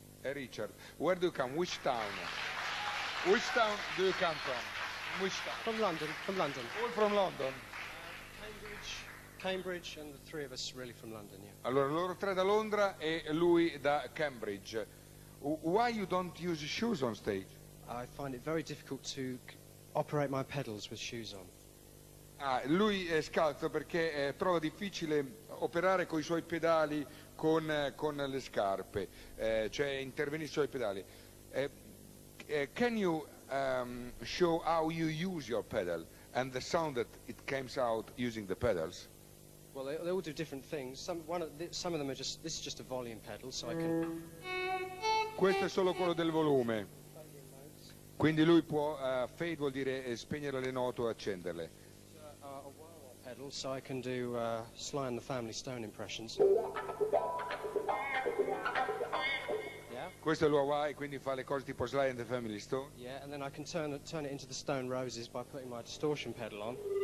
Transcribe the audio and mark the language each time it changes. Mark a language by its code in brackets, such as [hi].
[en] E Richard. Where do you come? Which town? Which town do you come from? Which town? From London, from London. All from London? Cambridge. Cambridge and the three of us really from London, yeah. [it] Allora, loro tre da Londra e lui da Cambridge. [en] Why you don't use shoes on stage? I find it very difficult to operate my pedals with shoes on. [it] Ah, lui è scalzo perché trova difficile operare con i suoi pedali con le scarpe, cioè intervenire sui pedali. [en] Can you show how you use your pedal and the sound that it comes out using the pedals? Well, they all do different things. Some of them are just, this is just a volume pedal, so I can... [it] Questo è solo quello del volume. Quindi lui può, fade vuol dire spegnere le note o accenderle. [en] So I can do Sly and the Family Stone impressions. Yeah. [it] Questo è l'Hawaii, quindi fa le cose tipo Sly and the Family Stone. [en] Yeah, and then I can turn it into the Stone Roses by putting my distortion pedal on.